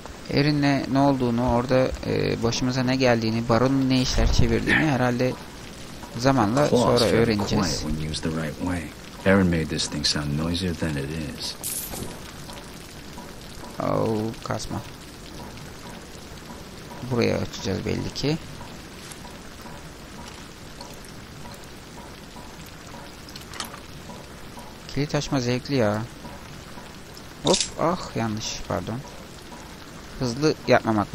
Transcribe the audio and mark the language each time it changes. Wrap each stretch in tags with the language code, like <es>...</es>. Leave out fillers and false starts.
<tr>Erin'le ne olduğunu, orada başımıza ne geldiğini, baronun ne işler çevirdiğini herhalde zamanla sonra öğreneceğiz.</tr> <en>Erin made this thing sound noisier than it is.</en> <tr>Oh, kasma. Buraya açacağız belli ki. Kilit açma zevkli ya. Hop, ah yanlış, pardon. Hızlı yapmamak.</tr>